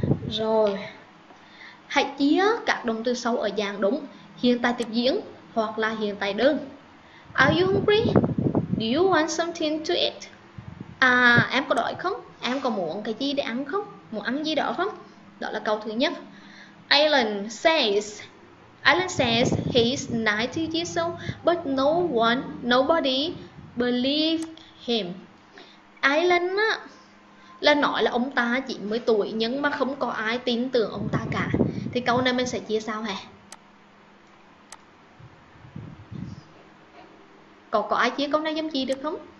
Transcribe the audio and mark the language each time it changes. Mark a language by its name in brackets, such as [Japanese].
[Vietnamese] Rồi, hãy chia các động từ sau ở dạng đúng, hiện tại thực diễn hoặc là hiện tại đơn. [English] Are you hungry? Do you want something to eat? [Vietnamese] Em có đói không? Em có muốn cái gì để ăn không? Muốn ăn gì đó không? Đó là câu thứ nhất. [English] Alan says he's 90 years old, but nobody believe him. [Vietnamese] Alan là nói là ông ta 90 tuổi nhưng mà không có ai tin tưởng ông ta cả. Thì câu này mình sẽ chia sao hả? Có ai chia câu này giống chị được không?